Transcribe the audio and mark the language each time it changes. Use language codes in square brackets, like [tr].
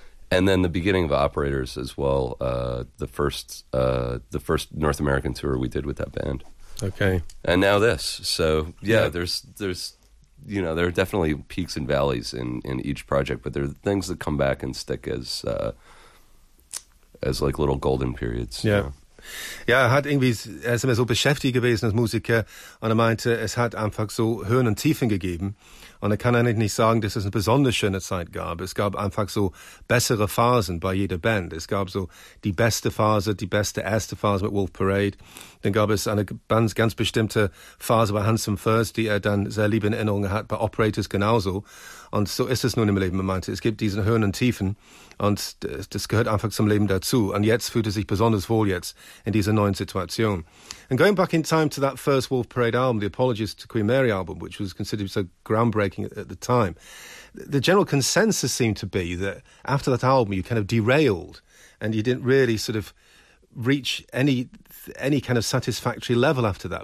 [en] And then the beginning of Operators as well, the first North American tour we did with that band. Okay. And now this. So, yeah, yeah. There's you know, there are definitely peaks and valleys in each project, but there are things that come back and stick as like little golden periods. Yeah. You know? [de] Ja, er ist immer so beschäftigt gewesen als Musiker und er meinte, es hat einfach so Höhen und Tiefen gegeben und er kann eigentlich nicht sagen, dass es eine besonders schöne Zeit gab. Es gab einfach so bessere Phasen bei jeder Band. Es gab so die beste Phase, die beste erste Phase mit Wolf Parade. Dann gab es eine ganz bestimmte Phase bei Handsome First, die er dann sehr lieb in Erinnerung hat, bei Operators genauso. Und so ist es nun im Leben, er meinte, es gibt diese Höhen und Tiefen und das gehört einfach zum Leben dazu. Und jetzt fühlt er sich besonders wohl jetzt in dieser neuen Situation. [en] And going back in time to that first Wolf Parade album, the Apologies to Queen Mary album, which was considered so groundbreaking at the time, the general consensus seemed to be that after that album you kind of derailed and you didn't really sort of reach any kind of satisfactory level after that.